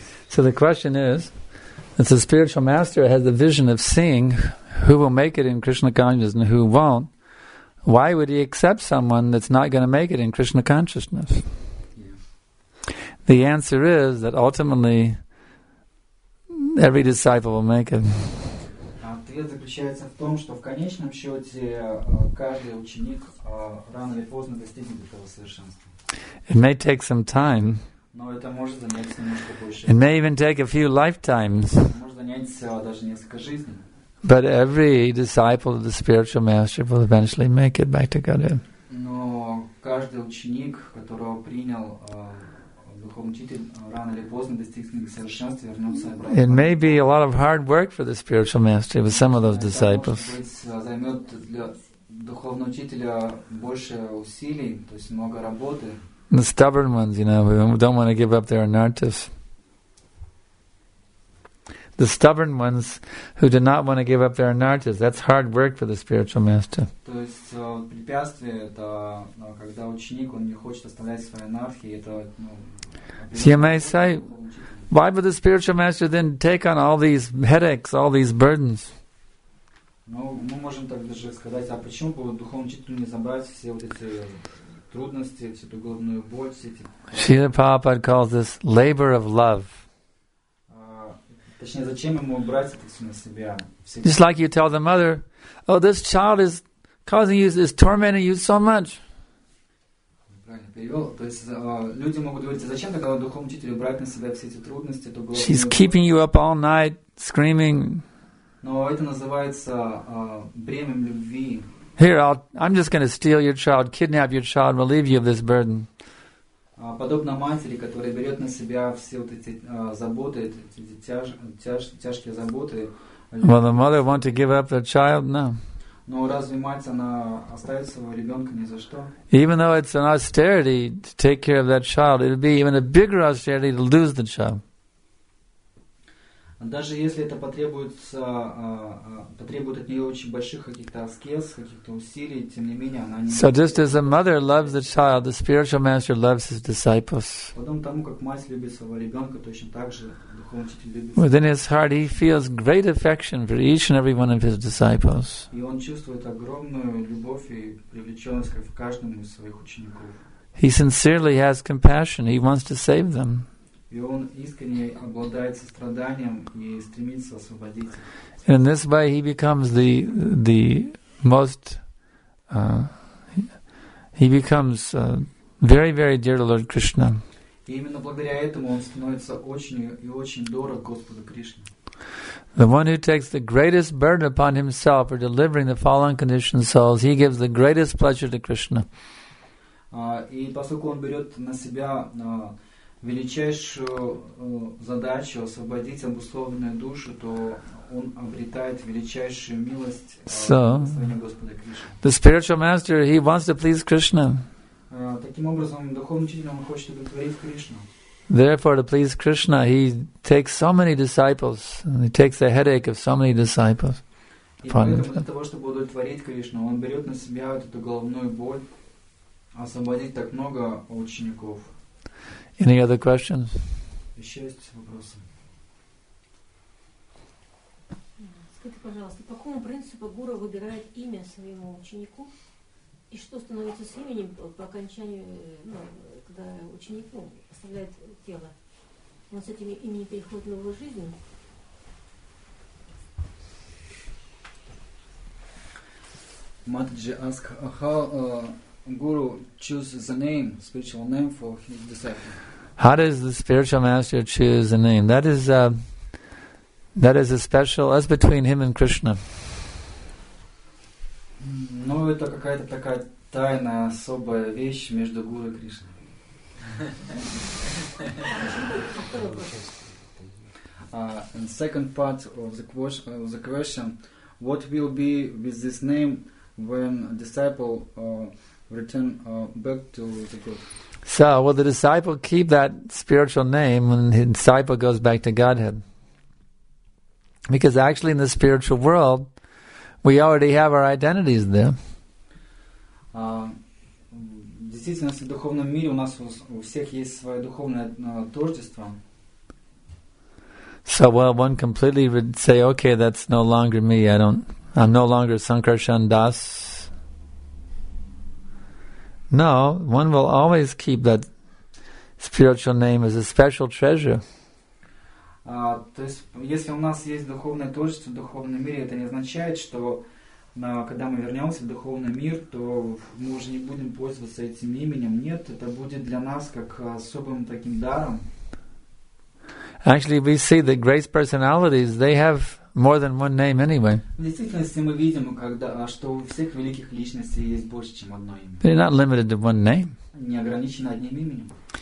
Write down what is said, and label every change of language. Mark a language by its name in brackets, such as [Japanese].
[English] So the question is, if the spiritual master has the vision of seeing who will make it in Krishna consciousness and who won't, why would he accept someone that's not going to make it in Krishna consciousness? Yeah. The answer is that ultimately every disciple will make it. [Russian] Ответ заключается в том, что в конечном счете каждый ученик рано или поздно достигнет этого совершенства. [English] It may take some time. [Russian] Но это может занять немножко больше. [English] It may even take a few lifetimes. [Russian] Может занять даже несколько жизней. [English] But every disciple of the spiritual master will eventually make it back to Godhead. [Russian] Но каждый ученик, которого принял духовный учитель, рано или поздно достигнет совершенства, вернется обратно. [English] It may be a лот of hard work for the spiritual master with some of those disciples. [Russian] Займет для духовного учителя больше усилий, то есть много работы. [English] The stubborn ones, you know, who don't want to give up their anartas. The stubborn ones who do not want to give up their anartas, that's hard work for the spiritual master. [Russian] То есть препятствие это когда ученик он не хочет оставлять свои анархи, это [English] So you may say, why would the spiritual master then take on all these headaches, all these burdens? [Russian] Ну, мы можем так даже сказать, а почему бы духовному учителю не забрать все вот эти трудности, всю эту головную боль, все эти... [English] Srila Prabhupada calls this labor of love. [Russian] Точнее, зачем ему брать это все на себя? [English] Just like you tell the mother, oh, this child is causing you, is tormenting you so much. [Russian] Правильно перевел. То есть люди могут говорить, зачем такому духовному учителю брать на себя все эти трудности, эту головную боль? [English] She's keeping you up all night, screaming. [Russian] Но это называется бременем любви. [English] Here, I'm just going to steal your child, kidnap your child, relieve you of this burden. [Russian] Подобно матери, которая берет на себя все вот эти заботы, тяжкие заботы. [English] Will the mother want to give up the child? No. [Russian] Но разве мать, она оставит своего ребенка ни за что? [English] Even though it's an austerity to take care of that child, it would be even a bigger austerity to lose the child. [Russian] Даже если это потребуется, потребует от нее очень больших каких-то аскез, каких-то усилий, тем не менее, она не... [English] So just as a mother loves the child, the spiritual master loves his disciples. [Russian] Потом тому, как мать любит своего ребенка, точно так же духовный учитель любит... [English] Within his heart he feels great affection for each and every one of his disciples. [Russian] И он чувствует огромную любовь и привлеченность к каждому из своих учеников. [English] He sincerely has compassion, he wants to save them. [Russian] И он искренне обладает состраданием и стремится освободить. [English] And in this way he becomes the most very very dear to Lord Krishna. [Russian] И именно благодаря этому он становится очень и очень дорог Господу Кришне. [English] The one who takes the greatest burden upon himself for delivering the fallen conditioned souls, he gives the greatest pleasure to Krishna. [Russian] И поскольку он берет на себя величайшую задачу освободить обусловленные души, то он обретает величайшую милость Господа Господа Кришны. [English] The spiritual master, he wants to please Krishna. [Russian] Таким образом, духовный учитель, он хочет удовлетворить Кришну. [English] Therefore, to please Krishna, he takes so many disciples, and he takes the headache of so many disciples. [Russian] И поэтому для того, чтобы удовлетворить Кришну, он берет на себя вот эту головную боль освободить так много учеников. [English] Any other questions? [Russian] Еще есть вопросы. Скажите, пожалуйста, по какому принципу гуру выбирает имя своему ученику? И что становится с именем по окончанию, когда ученику оставляет тело? Он с этим именем переходит в новую жизнь? [English] Матаджи asked, how guru chooses the name, spiritual name for his disciple? How does the spiritual master choose a name? That is a special, that's between him and Krishna. [Russian] Ну, это какая-то такая тайная, особая вещь между Гуру и Кришной. [English] And second part of the question, what will be with this name when disciple return back to the Guru? So, will the disciple keep that spiritual name when the disciple goes back to Godhead? Because actually in the spiritual world, we already have our identities there. [Russian] Действительно, в духовном мире у нас у всех есть свое духовное тождество. [English] So, well, one completely would say, okay, that's no longer me, I'm no longer Sankarshan Das. No, one will always keep that spiritual name as a special treasure. [Russian] То есть, если у нас есть духовное творчество в духовном мире, это не означает, что когда мы вернемся в духовный мир, то мы уже не будем пользоваться этим именем. Нет, это будет для нас как особым таким даром. [English] Actually, we see that great personalities, they have more than one name anyway. [Russian] В действительности мы видим, когда, что у всех великих личностей есть больше, чем одно имя. They're not limited to one name. Не ограничены одним именем.